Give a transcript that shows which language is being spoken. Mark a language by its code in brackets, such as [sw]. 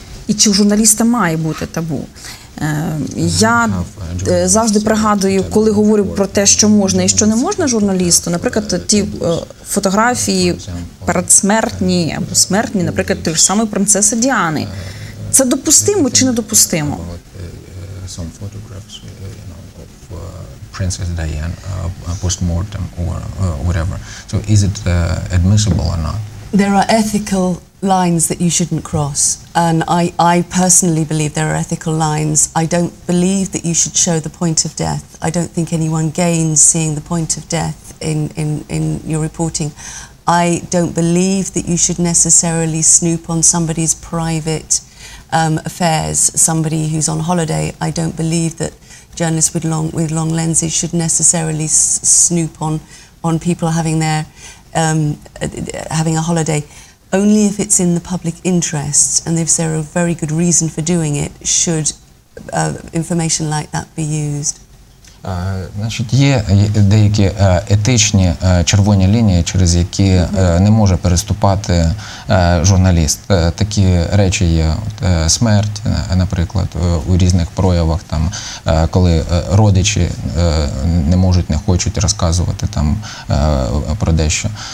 [uk] І чи у журналіста має бути табу? Я завжди пригадую, коли говорю про те, що можна і що не можна журналісту, наприклад, ті фотографії передсмертні або смертні, наприклад, тої ж самої принцеси Діани. Це допустимо чи недопустимо? [en] Some photographs, you know, of Princess Diane postmortem or whatever. So is it admissible or not? There are ethical lines that you shouldn't cross, and I personally believe there are ethical lines. I don't believe that you should show the point of death. I don't think anyone gains seeing the point of death in your reporting. I don't believe that you should necessarily snoop on somebody's private affairs, somebody who's on holiday. I don't believe that journalists with long lenses should necessarily snoop on people having their having a holiday. Only if it's in the public interest and if there are a very good reason for doing it should information like that be used. [uk] Значить, є деякі етичні червоні лінії, через які не може переступати журналіст. Такі речі є, от, смерть, наприклад, у різних проявах, там, коли родичі не можуть, не хочуть розказувати там про дещо.